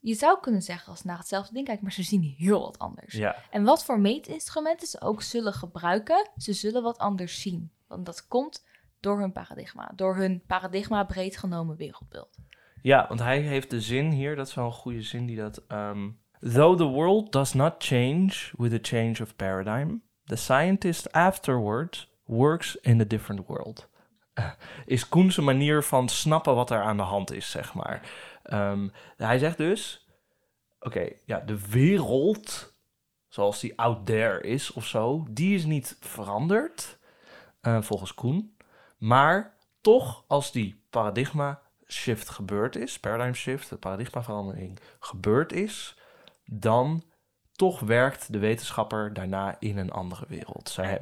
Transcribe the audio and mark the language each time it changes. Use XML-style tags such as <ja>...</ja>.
<nl>Je zou kunnen zeggen als ze naar hetzelfde ding kijken, maar ze zien heel wat anders. Ja. En wat voor meetinstrumenten ze ook zullen gebruiken, ze zullen wat anders zien. Want dat komt door hun paradigma. Door hun paradigma breed genomen wereldbeeld. Ja, want hij heeft de zin hier, dat is wel een goede zin die dat...</nl> <en>Though the world does not change with a change of paradigm, the scientist afterwards works in a different world.</en> <nl>Is Kuhn's manier van snappen wat er aan de hand is, zeg maar. Hij zegt dus, de wereld zoals die</nl> <en>out there</en> <nl>is of zo, die is niet veranderd, volgens Kuhn. Maar toch, als die paradigma shift gebeurd is, paradigm shift, de paradigmaverandering gebeurd is, dan toch werkt de wetenschapper daarna in een andere wereld.</nl>